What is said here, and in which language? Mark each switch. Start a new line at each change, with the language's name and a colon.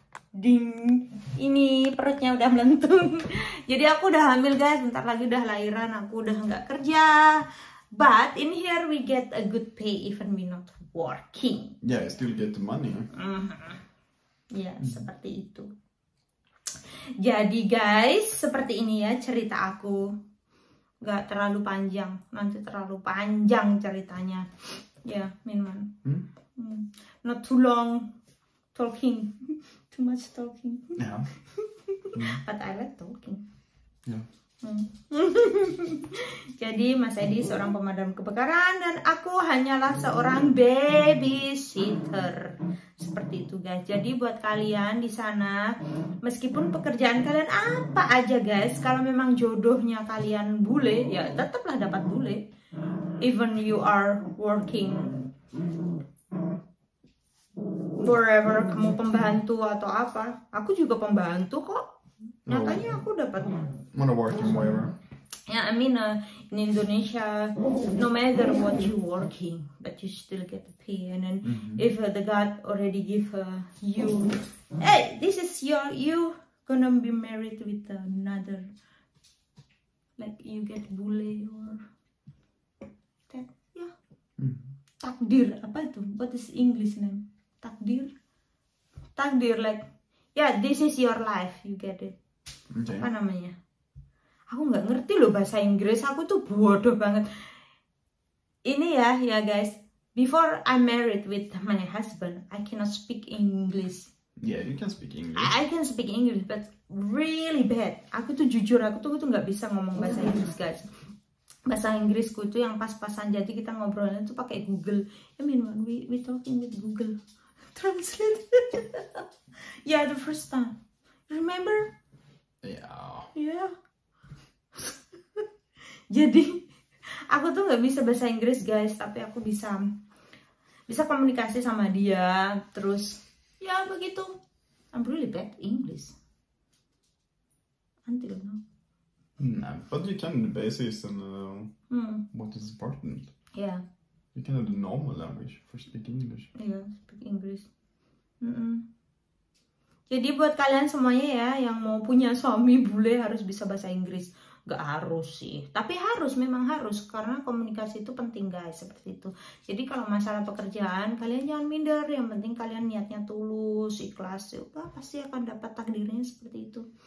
Indonesian: Ding, ini perutnya udah melentung. Jadi aku udah hamil, guys. Bentar lagi udah lahiran. Aku udah nggak kerja.
English: But in here we get a good pay even we not working. Yeah, I still get the money.
Indonesian: Ya, seperti itu. Jadi guys, seperti ini ya cerita aku. Gak terlalu panjang. Nanti terlalu panjang ceritanya.
English: Ya, Minman. Not too long talking. Too much talking. Yeah. But I like talking. Yeah.
Indonesian: Jadi Mas Edi seorang pemadam kebakaran dan aku hanyalah seorang babysitter. Seperti itu, guys. Jadi buat kalian di sana, meskipun pekerjaan kalian apa aja, guys, kalau memang jodohnya kalian bule, ya tetaplah dapat bule.
English: Even you are working forever,
Indonesian: kamu pembantu atau apa, aku juga pembantu kok. Nyatanya aku dapat.
English: Mana working forever? Ya, yeah, I mean in Indonesia, no matter what you working, but you still get the pay. And then if the God already give you, hey, this is your, you gonna be married with another, like you get bule or that, yeah.
Indonesian: Takdir, apa itu?
English: What is English name? Takdir, like, yeah, this is your life, you get it. Okay.
Indonesian: Apa namanya? Aku nggak ngerti loh bahasa Inggris, aku tuh bodoh banget. Ini ya, ya guys.
English: Before I married with my husband, I cannot speak English. Yeah, you can speak English. I can speak English, but really bad.
Indonesian: Aku tuh jujur, aku tuh nggak bisa ngomong bahasa Inggris, guys. bahasa Inggrisku itu yang pas-pasan, jadi kita ngobrolnya itu pakai Google.
English: I mean, when we talking with Google Translate. Yeah, the first time. Remember? Yeah.
Indonesian: Jadi, aku tuh nggak bisa bahasa Inggris, guys, tapi aku bisa komunikasi sama dia. Terus, ya begitu.
English: I'm really bad English. Until now. Nah, but you can basis on what is important. Yeah. You can have the normal language for speaking English. Yeah, speak English.
Indonesian: Jadi buat kalian semuanya ya, yang mau punya suami bule harus bisa bahasa Inggris. Gak harus sih, tapi harus, memang harus, karena komunikasi itu penting, guys, seperti itu. Jadi kalau masalah pekerjaan, kalian jangan minder, yang penting kalian niatnya tulus, ikhlas, ya pasti akan dapat takdirnya seperti itu.